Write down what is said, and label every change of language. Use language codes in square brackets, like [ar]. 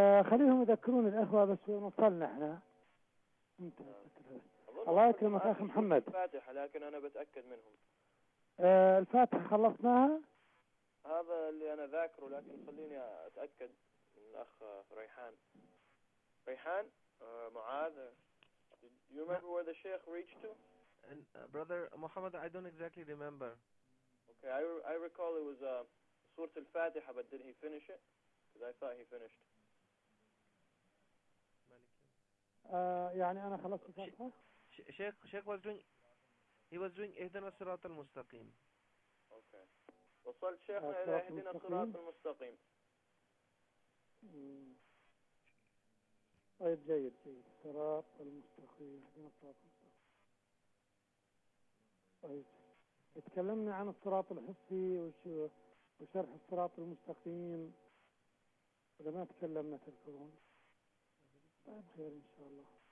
[ar] خليهم يذكرون الأخوة بس ونصلنا احنا. الله يكرمك أخ محمد. الفاتحة لكن أنا بتأكد منهم. الفاتحة خلصناها؟ هذا اللي أنا ذاكره لكن خليني أتأكد. الأخ ريحان. ريحان معاذ. [en] Do you remember where the sheikh reached to? And brother Muhammad, I don't exactly remember. Okay, I recall it was Surah Al-Fatiha, but did he finish it? Because I thought he finished. [ar] يعني أنا خلصت الفاتحة. [en] Sheikh was doing. He was doing [ar] إهدنا الصراط المستقيم. [en] Okay. [ar] وصلت شيخ إلى إهدنا الصراط المستقيم. طيب جيد جيد. الصراط المستقيم، اهدنا الصراط المستقيم. طيب تكلمنا عن الصراط الحسي وشرح الصراط المستقيم، اذا ما تكلمنا تذكرون؟ طيب خير ان شاء الله.